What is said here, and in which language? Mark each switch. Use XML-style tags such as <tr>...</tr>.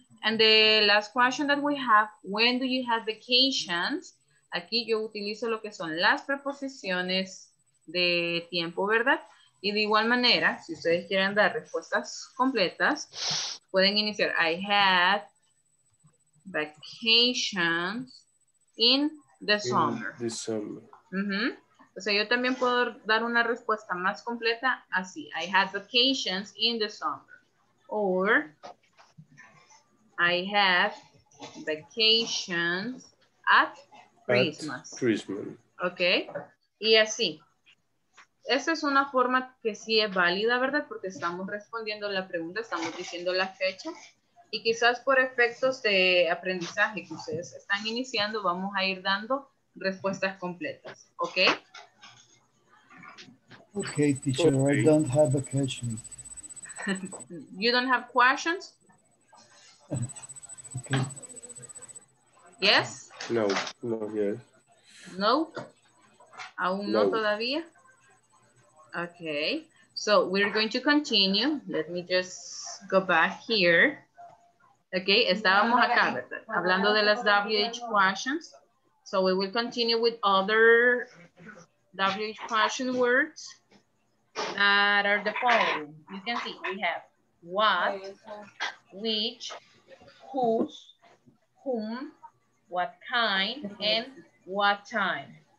<en>And the last question that we have, when do you have vacations?</en> <es>Aquí yo utilizo lo que son las preposiciones de tiempo, ¿verdad? Y de igual manera, si ustedes quieren dar respuestas completas, pueden iniciar.</es> <en>I have vacations in the summer. In the summer.</en> <es>Uh-huh. O sea, yo también puedo dar una respuesta más completa así.</es> <en>I have vacations in the summer. Or I have vacations at Christmas. At Christmas.</en> <es>Okay. Y así. Esa es una forma que sí es válida, ¿verdad? Porque estamos respondiendo la pregunta, estamos diciendo la fecha. Y quizás por efectos de aprendizaje que ustedes están iniciando, vamos a ir dando respuestas completas. ¿Ok?</es> <en>Ok, teacher, okay. I don't have a question. You don't have questions? Okay. Yes? No, no, yes. No?</en> <es>Aún no, no todavía?</es> <en>Okay, so we're going to continue. Let me just go back here.</en> <es>Okay, estábamos acá, hablando de las WH questions.</es> <en>So we will continue with other WH question words that are the following. You can see we have what, which, whose, whom, what kind, and what time.</en>